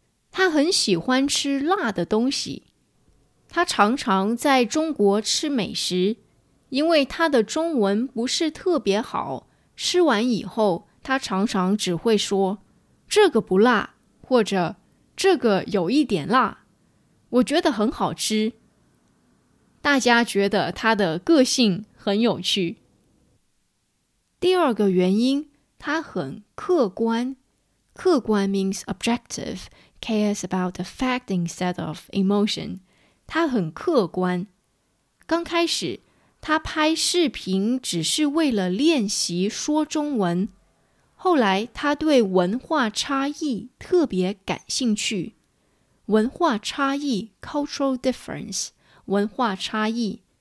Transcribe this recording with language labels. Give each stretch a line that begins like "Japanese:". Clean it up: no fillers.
Chinese: 他很喜欢吃辣的东西，他常常在中国吃美食，因为他的中文不是特别好，吃完以后他常常只会说这个不辣，或者这个有一点辣，我觉得很好吃。大家觉得他的个性很有趣。第二个原因，他很客观。客观
English: means objective, cares about the fact instead of emotion.
Chinese: 他很客观。刚开始，他拍视频只是为了练习说中文。后来，他对文化差异特别感兴趣。文化差异
English: cultural difference,
Chinese: 文化差异。